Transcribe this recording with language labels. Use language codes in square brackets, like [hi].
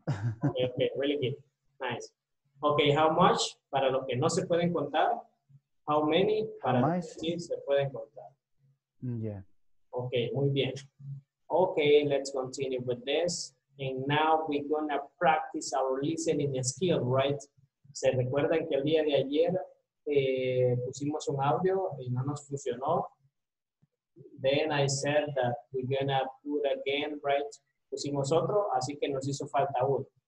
[en] Okay, okay, really good. Nice. Okay, how much? [es] Para lo que no se pueden contar. [en] How many? [es] Para lo que sí se pueden contar. [en] Yeah. Okay, [es] muy bien. [en] Okay, let's continue with this. And now we're gonna practice our listening skill, right? [es] ¿Se recuerdan que el día de ayer pusimos un audio y no nos funcionó? [en] Then I said that we're gonna put again, right? [es] Pusimos otro, así que nos hizo falta uno.